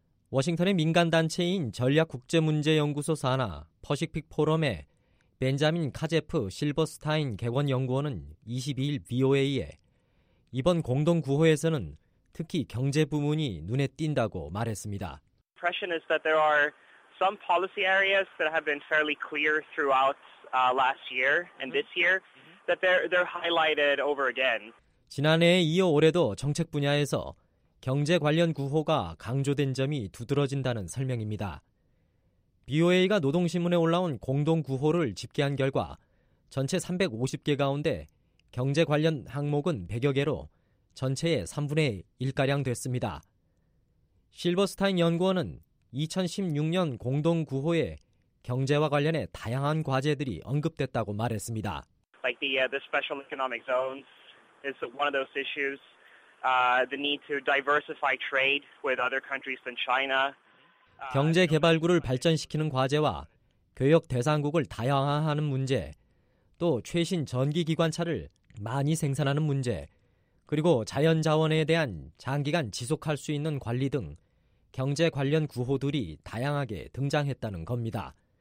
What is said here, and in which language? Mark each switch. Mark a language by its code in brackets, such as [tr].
[ko] 워싱턴의 민간단체인 전략국제문제연구소 산하 퍼시픽 포럼의 벤자민 카제프 실버스타인 개원연구원은 22일 VOA에 이번 공동구호에서는 특히 경제 부문이 눈에 띈다고 말했습니다. [en] Impression is that there are some policy areas that have been fairly clear throughout last year and this year that they're highlighted over again. [ko] 지난해에 이어 올해도 정책 분야에서 경제 관련 구호가 강조된 점이 두드러진다는 설명입니다. BOA가 노동신문에 올라온 공동구호를 집계한 결과 전체 350개 가운데 경제 관련 항목은 100여 개로 전체의 3분의 1가량 됐습니다. 실버스타인 연구원은 2016년 공동구호에 경제와 관련해 다양한 과제들이 언급됐다고 말했습니다. [en] Like the special economic zones is one of those issues. The need to diversify trade with other countries than China. [ko] 경제 개발구를 발전시키는 과제와 교역 대상국을 다양화하는 문제, 또 최신 전기기관차를 많이 생산하는 문제, 그리고 자연자원에 대한 장기간 지속할 수 있는 관리 등 경제 관련 구호들이 다양하게 등장했다는 겁니다.